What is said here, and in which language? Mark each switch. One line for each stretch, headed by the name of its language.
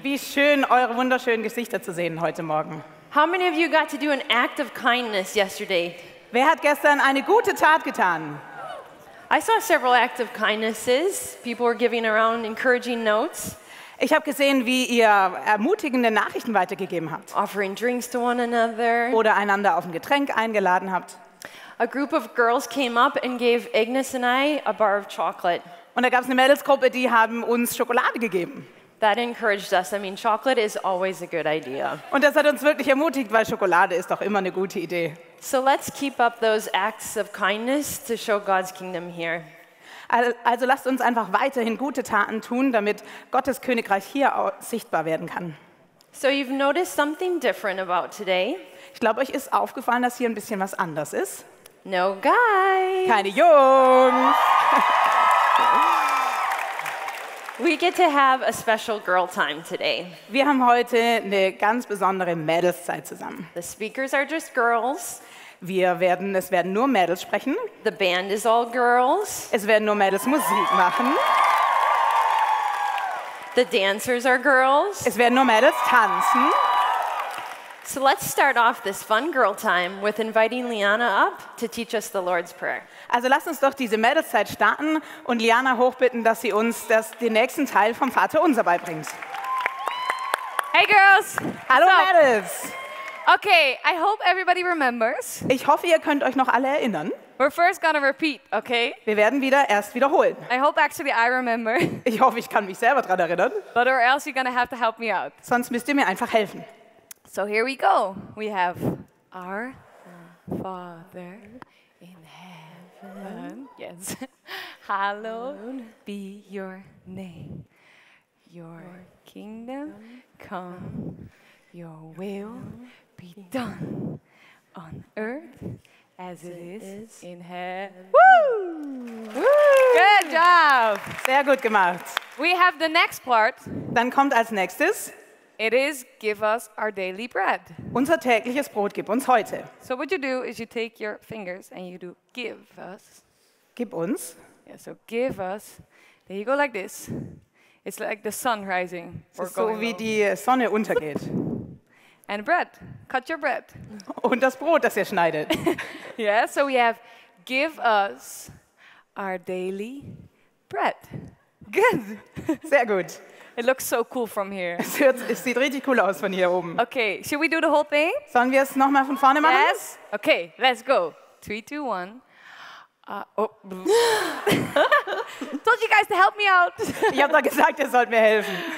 German: Wie schön, eure wunderschönen Gesichter zu sehen heute Morgen.
English: How many of you got to do an act of kindness yesterday?
German: Wer hat gestern eine gute Tat getan?
English: I saw several acts of kindnesses. People were giving around encouraging notes.
German: Ich habe gesehen, wie ihr ermutigende Nachrichten weitergegeben habt.
English: Offering drinks to one another.
German: Oder einander auf ein Getränk eingeladen habt.
English: A group of girls came up and gave Ignis and I a bar of chocolate.
German: Und da gab es eine Mädelsgruppe, die haben uns Schokolade gegeben.
English: That encouraged us. I mean, chocolate is always a good idea.
German: Und das hat uns wirklich ermutigt, weil Schokolade ist doch immer eine gute Idee.
English: So let's keep up those acts of kindness to show God's kingdom here.
German: Also lasst uns einfach weiterhin gute Taten tun, damit Gottes Königreich hier auch sichtbar werden kann.
English: So you've noticed something different about today.
German: Ich glaube, euch ist aufgefallen, dass hier ein bisschen was anders ist.
English: No guys.
German: Keine Jungs.
English: We get to have a special girl time today.
German: Wir haben heute eine ganz besondere Mädelszeit zusammen.
English: The speakers are just girls.
German: Es werden nur Mädels sprechen.
English: The band is all girls.
German: Es werden nur Mädels Musik machen.
English: The dancers are girls.
German: Es werden nur Mädels tanzen.
English: So let's start off this fun girl time with inviting Liana up to teach us the Lord's Prayer.
German: Also lasst uns doch diese Mädelszeit starten und Liana hochbitten, dass sie uns den nächsten Teil vom Vater Unser beibringt.
English: Hey girls!
German: Hallo so. Mädels!
English: Okay, I hope everybody remembers.
German: Ich hoffe, ihr könnt euch noch alle erinnern.
English: We're first gonna repeat, okay?
German: Wir werden wieder erst wiederholen.
English: I hope actually I remember.
German: Ich hoffe, ich kann mich selber dran erinnern.
English: But or else you're gonna have to help me out.
German: Sonst müsst ihr mir einfach helfen.
English: So here we go. We have our Father in heaven. Yes. Hallowed be your name. Your kingdom come. Your will be done on earth as it is in heaven. Woo! Good job.
German: Sehr gut gemacht.
English: We have the next part.
German: Dann kommt als nächstes.
English: It is give us our daily bread.
German: Unser tägliches Brot gib uns heute.
English: So what you do is you take your fingers and you do give us.
German: Gib uns.
English: Yeah, so give us. Then you go like this. It's like the sun rising. Or so going
German: wie die Sonne untergeht.
English: And bread. Cut your bread.
German: Und das Brot, das ihr schneidet.
English: Yeah, so we have give us our daily bread. Good.
German: Sehr gut.
English: It looks so cool from here.
German: Es sieht richtig cool aus von hier oben.
English: Okay, should we do the whole thing?
German: Sollen wir es nochmal von vorne machen?
English: Yes. Okay, let's go. 3, 2, 1. Told you guys to help me out.
German: Ich hab doch gesagt, ihr sollt mir helfen.